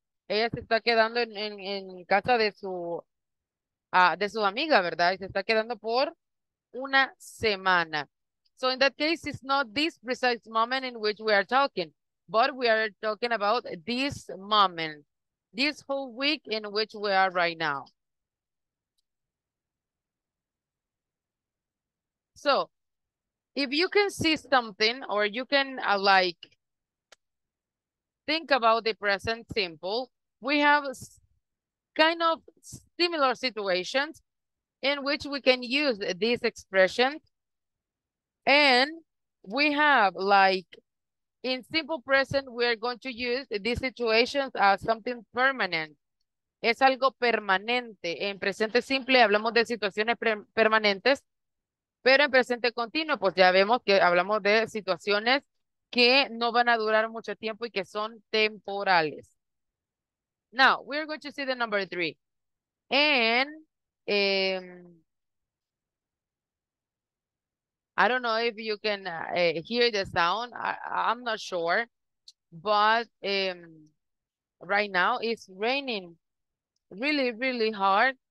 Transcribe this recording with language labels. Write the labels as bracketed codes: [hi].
[es] Ella se está quedando en casa de su amiga, ¿verdad? Y se está quedando por una semana. [en] So in that case, it's not this precise moment in which we are talking, but we are talking about this moment, this whole week in which we are right now. So if you can see something or you can like think about the present simple, we have kind of similar situations in which we can use this expression. And we have like in simple present, we're going to use these situations as something permanent. [es] Es algo permanente. En presente simple hablamos de situaciones permanentes, pero en presente continuo, pues ya vemos que hablamos de situaciones que no van a durar mucho tiempo y que son temporales. [en] Now, we're going to see the number three. And I don't know if you can hear the sound. I'm not sure. But right now it's raining really, really hard.